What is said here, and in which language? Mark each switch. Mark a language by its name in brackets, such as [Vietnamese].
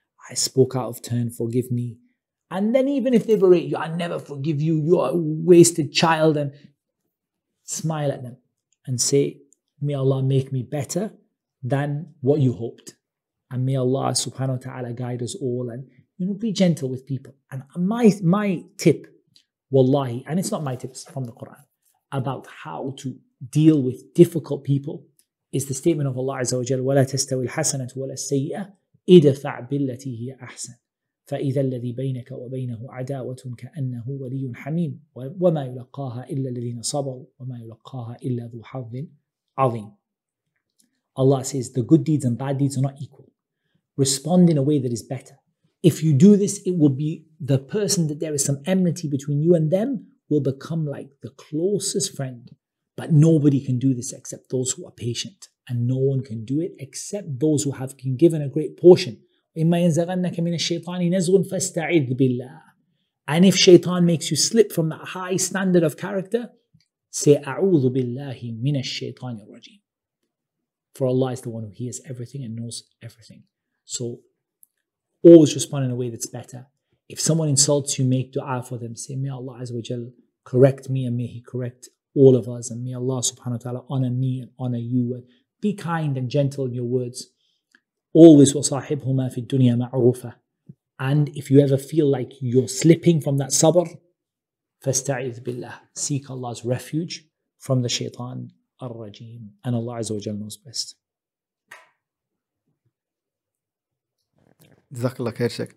[English] I spoke out of turn, forgive me. And then even if they berate you, I never forgive you, you're a wasted child. And smile at them and say, may Allah make me better than what you hoped. And may Allah subhanahu wa ta'ala guide us all and You know, be gentle with people. And my tip, wallahi, and it's not my tips, from the Quran, about how to deal with difficult people, is the statement of Allah Azza wa Jalla, [Arabic] وَلَا تَسْتَوِي الْحَسَنَةُ وَلَا السَّيِّئَةُ اِدَفَعْ بِالَّتِي هِيَ أَحْسَنُ فَإِذَا الَّذِي بَيْنَكَ وَبَيْنَهُ عَدَاوَةٌ كَأَنَّهُ وَلِيٌّ حَمِيمٌ وَمَا يُلَقَّاهَا إِلَّا الَّذِينَ صَبَرُوا وَمَا يُلَقَّاهَا إِلَّا ذُو حَظٍ عَظِيمٌ. [English] Allah says, the good deeds and bad deeds are not equal. Respond in a way that is better. If you do this, it will be the person that there is some enmity between you and them will become like the closest friend. But nobody can do this except those who are patient. And no one can do it except those who have been given a great portion. [Arabic] إِمَّا يَنْزَغَنَّكَ مِنَ الشَّيْطَانِ نَزْغٌ فَاسْتَعِذْ بِاللَّهِ. [English] And if shaitan makes you slip from that high standard of character, say, [Arabic] أَعُوذُ بِاللَّهِ مِنَ الشَّيْطَانِ الرَّجِيمِ. [English] For Allah is the one who hears everything and knows everything. So always respond in a way that's better. If someone insults you, make dua for them. Say, may Allah Azza wa Jal correct me and may He correct all of us. And may Allah subhanahu wa ta'ala honor me and honor you. And be kind and gentle in your words. Always [Arabic] وَصَاحِبْهُمَا فِي الدُّنْيَا مَعْرُوفَ. [English] And if you ever feel like you're slipping from that sabr, [Arabic] فَاسْتَعِذْ بِاللَّهِ. [English] Seek Allah's refuge from the shaitan الرجيم. And Allah Azza wa Jalla knows best. JazakAllah khair, Sheikh.